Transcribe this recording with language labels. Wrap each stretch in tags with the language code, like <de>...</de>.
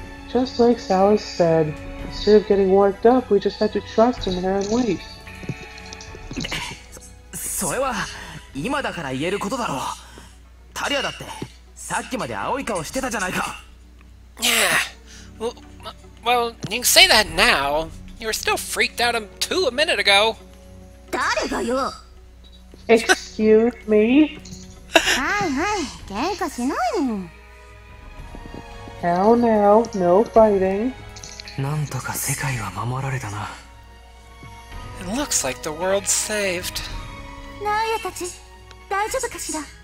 <en>Just like Salas said, instead of getting worked up, we just had to trust him and wait.</en> <ja>それは、今だから言えることだろう。タリアだってさっきまで青い顔してたじゃないか。</ja> <en>Yeah. Well, you say that now. You were still freaked out too a minute ago.</en> <ja>誰がよ。</ja> <en>Excuse me?</en> <ja>はいはい、喧嘩しないで。</ja> <en>How now? No fighting.</en> <ja>なんとか世界は守られたな。</ja> <en>It looks like the world's saved.</en> <ja>ナイヤたち、大丈夫かしら。</ja>